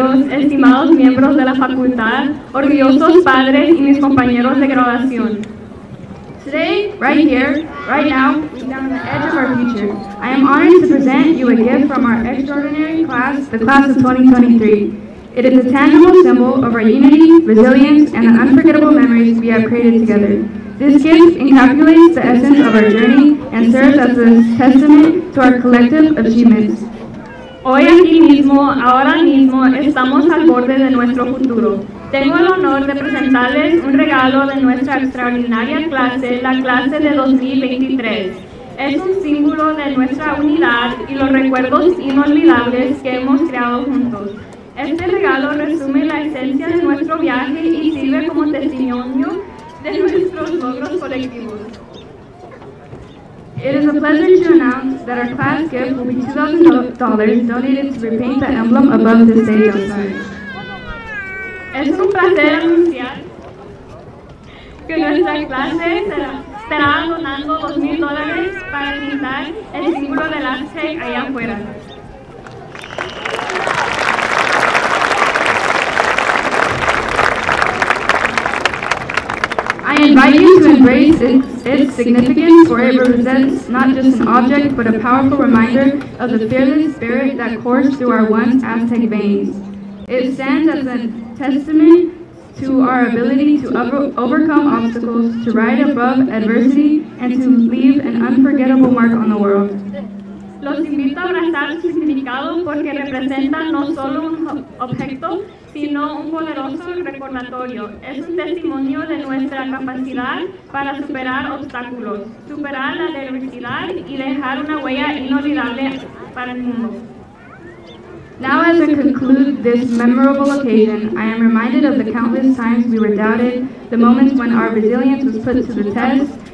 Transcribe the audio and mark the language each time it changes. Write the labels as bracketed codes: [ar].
[es] Estimados miembros de la facultad, orgullosos padres y mis compañeros de graduación. [en] Today, right here, right now, down the edge of our future, I am honored to present you a gift from our extraordinary class, the class of 2023. It is a tangible symbol of our unity, resilience, and the unforgettable memories we have created together. This gift encapsulates the essence of our journey and serves as a testament to our collective achievements. [es] Hoy aquí mismo, ahora mismo, estamos al borde de nuestro futuro. Tengo el honor de presentarles un regalo de nuestra extraordinaria clase, la clase de 2023. Es un símbolo de nuestra unidad y los recuerdos inolvidables que hemos creado juntos. Este regalo resume la esencia de nuestro viaje y sirve como testimonio de nuestros logros colectivos. [en] It is a pleasure to announce that our class gift will be $2,000 donated to repaint the emblem above the stage outside. [es] Es un placer anunciar que nuestra clase estará donando $2,000 para pintar el símbolo del arte allá afuera. [en] I invite you to embrace its significance, for it represents not just an object, but a powerful reminder of the fearless spirit that coursed through our once Aztec veins. It stands as a testament to our ability to overcome obstacles, to ride above adversity, and to leave an unforgettable mark on the world. [es] Los invito a abrazar su significado porque representa no solo un objeto, sino un poderoso recordatorio. Es un testimonio de nuestra capacidad para superar obstáculos, superar la adversidad y dejar una huella inolvidable para el mundo. [en] Now, as I conclude this memorable occasion, I am reminded of the countless times we were doubted, the moments when our resilience was put to the test.